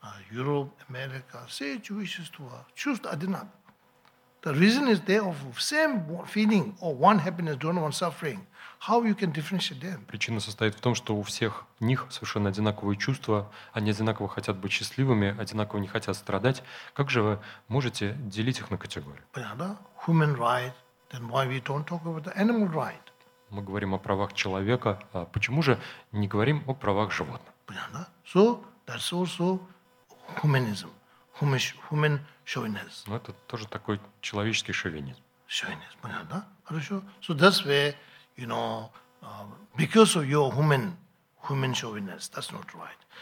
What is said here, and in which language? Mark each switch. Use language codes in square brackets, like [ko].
[ru] Европа, Америка, все эти существа, чувства одинаковые. [en] The reason is they of same feeling or one happiness, don't one suffering. How you can differentiate them? [ru] Причина состоит в том, что у всех них совершенно одинаковые чувства, они одинаково хотят быть счастливыми, одинаково не хотят страдать. Как же вы можете делить их на категории? Понятно? [en] Human right, then why we don't talk about the animal right? [ru] Мы говорим о правах человека, а почему же не говорим о правах животных? Понятно? [en] So that's also humanism, human chauvinism. [ru] Ну, это тоже такой человеческий шовинизм. Chauvinism, понятно? Хорошо. [en] So that's where you know, because of your human chauvinism, that's not right.